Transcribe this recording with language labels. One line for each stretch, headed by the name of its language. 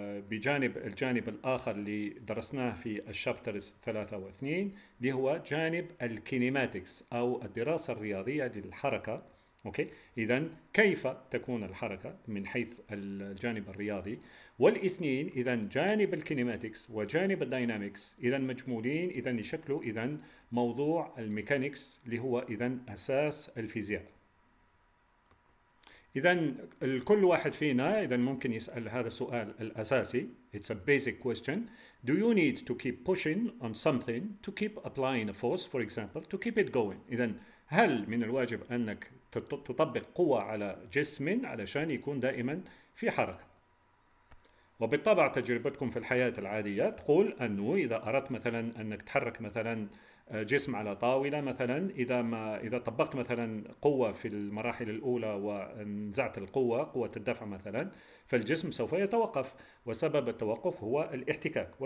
Arabic: بجانب الجانب الآخر اللي درسناه في الشابترز 3 و2 اللي هو جانب الكينيماتكس أو الدراسة الرياضية للحركة، أوكي؟ إذن كيف تكون الحركة من حيث الجانب الرياضي، والاثنين إذن جانب الكينيماتكس وجانب الديناميكس إذن مجمولين إذن يشكلوا إذن موضوع الميكانيكس اللي هو إذن أساس الفيزياء. إذا كل واحد فينا إذا ممكن يسأل هذا السؤال الأساسي.
English: It's a basic question. Do you need to keep pushing on something to keep applying a force, for example, to keep it going?
Arabic: إذا هل من الواجب أنك تطبق قوة على جسم علشان يكون دائما في حركة؟ وبالطبع تجربتكم في الحياة العادية تقول أنه إذا أردت مثلا أنك تحرك مثلا جسم على طاولة مثلا، إذا طبقت مثلا قوة في المراحل الأولى ونزعت القوة، قوة الدفع مثلا، فالجسم سوف يتوقف، وسبب التوقف هو الاحتكاك.